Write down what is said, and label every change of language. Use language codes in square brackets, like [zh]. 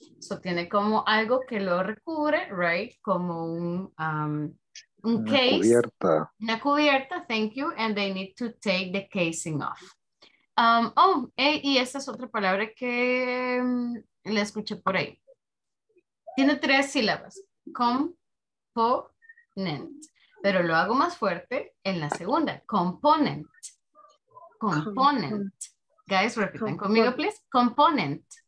[es] So tiene como algo que lo recubre, right? Como un una [en] case. [es] Cubierta. Una cubierta, [en] thank you. And they need to take the casing off. [es] Y esa es otra palabra que la escuché por ahí. Tiene tres sílabas. Component. Pero lo hago más fuerte en la segunda. [en] Component. Component. Guys, [es] repiten conmigo, [en] please. Component.